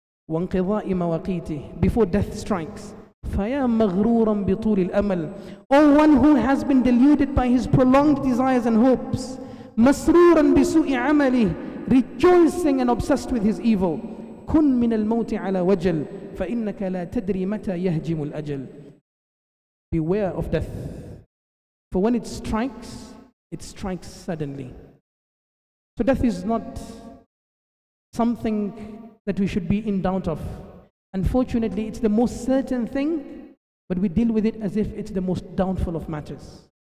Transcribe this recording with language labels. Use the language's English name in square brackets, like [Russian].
[Arabic] وانقضاء مواقيته [English] before death strikes. [Arabic] فيا مغرورا بطول الأمل. [English] Oh, one who has been deluded by his prolonged desires and hopes. [Arabic] مسرورا بسوء عمله. [English] Rejoicing and obsessed with his evil. [Arabic] كن من الموت على وجل. فإنك لا تدري متى يهجم الأجل. [English] Beware of death. For when it strikes suddenly. So death is not something that we should be in doubt of. Unfortunately, it's the most certain thing, but we deal with it as if it's the most doubtful of matters.